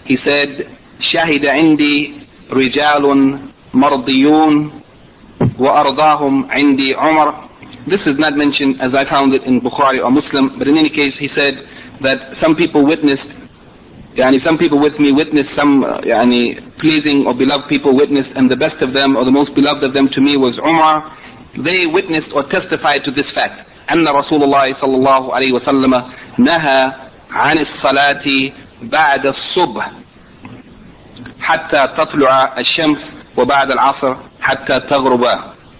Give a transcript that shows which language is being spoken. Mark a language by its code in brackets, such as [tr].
[en] He said, [ar] شهد عندي رجال مرضيون وأرضاهم عندي عمر. [en] This is not mentioned as I found it in Bukhari or Muslim, but in any case he said that some people witnessed, some people with me witnessed some pleasing or beloved people witnessed, and the best of them or the most beloved of them to me was Umar. They witnessed or testified to this fact, [ar] أن رسول الله صلى الله عليه وسلم نهى عن الصلاة بعد الصبح حتى تطلع الشمس وبعد العصر حتى تغرب.